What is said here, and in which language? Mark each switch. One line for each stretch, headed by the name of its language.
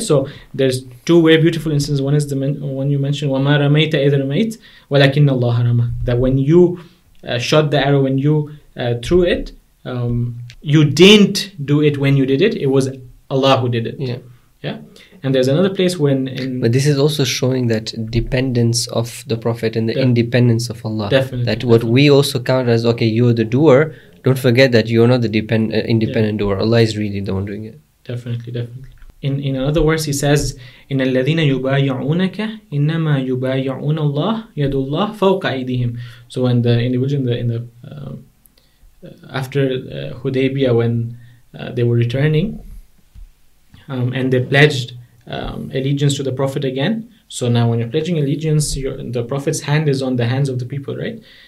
English: So there's two very beautiful instances. One is the one you mentioned,
Arabic: وَمَا رَمَيْتَ إِذْ رَمَيْتْ وَلَكِنَّ اللَّهَ رَمَى.
English: That when you shot the arrow, when you threw it, you didn't do it when you did it. It was Allah who did it. Yeah. Yeah. And there's another place when... But this is also showing that dependence of the Prophet and the independence of Allah. Definitely. That what we also count as, okay, you're the doer. Don't forget that you're not the independent doer. Allah is really the one doing it. Definitely, definitely. In another verse, he says,
Arabic: إِنَّ الَّذِينَ يُبَايَعُونَكَ إِنَّمَا يُبَايَعُونَ اللَّهِ يَدُ اللَّهِ فَوْقَ أَيْدِهِمْ.
English: So when the individual after Hudaybiyah, when they were returning, and they pledged allegiance to the Prophet again. So now when you're pledging allegiance, the Prophet's hand is on the hands of the people, right?